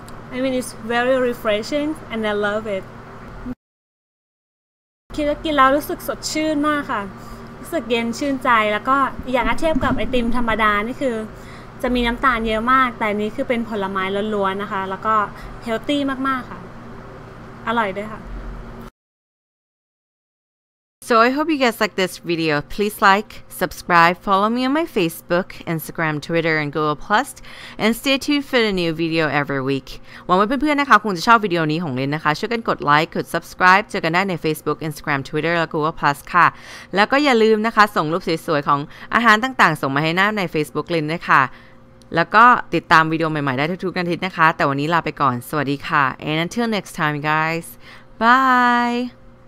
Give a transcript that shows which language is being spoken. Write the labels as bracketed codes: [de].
[en] I mean, it's very refreshing and I love it. [th] คิดว่ากินแล้วรู้สึกสดชื่นมากค่ะรู้สึกเย็นชื่นใจแล้วก็อย่างเทียบกับไอติมธรรมดานี่คือจะมีน้ำตาลเยอะมากแต่นี้คือเป็นผลไม้ล้วนๆนะคะแล้วก็เฮลตี้มากๆค่ะอร่อยด้วยค่ะ [en] So I hope you guys like this video. Please like, subscribe, follow me on my Facebook, Instagram, Twitter, and Google+, and stay tuned for the new video every week. [th] หวังว่าเพื่อนๆนะคะคงจะชอบวิดีโอนี้ของลินนะคะช่วยกันกดไลค์กด subscribe เจอกันได้ใน Facebook, Instagram, Twitter, และ Google+ ค่ะแล้วก็อย่าลืมนะคะส่งรูปสวยๆของอาหารต่างๆส่งมาให้หน้าใน Facebook ลินด้วยค่ะแล้วก็ติดตามวิดีโอใหม่ๆได้ทุกๆอาทิตย์นะคะแต่วันนี้ลาไปก่อนสวัสดีค่ะ [en] and until next time guys bye